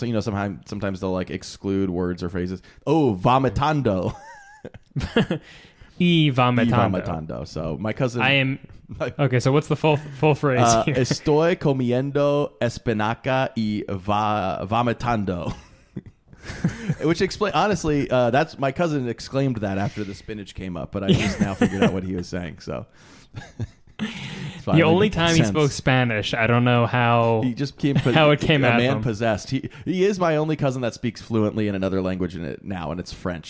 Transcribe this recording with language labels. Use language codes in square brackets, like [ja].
[en] You know, sometimes they'll like exclude words or phrases. [es] Oh, vomitando. vomitando. [en] So my cousin. Okay, so what's the full phrase here? [es] Estoy comiendo espinaca y vomitando. [en] Which explain honestly, that's my cousin exclaimed that after the spinach came up, but I just now figured out what he was saying. So the only time he spoke Spanish, I don't know how he just came how it came a out man possessed. He is my only cousin that speaks fluently in another language in it now, and it's French.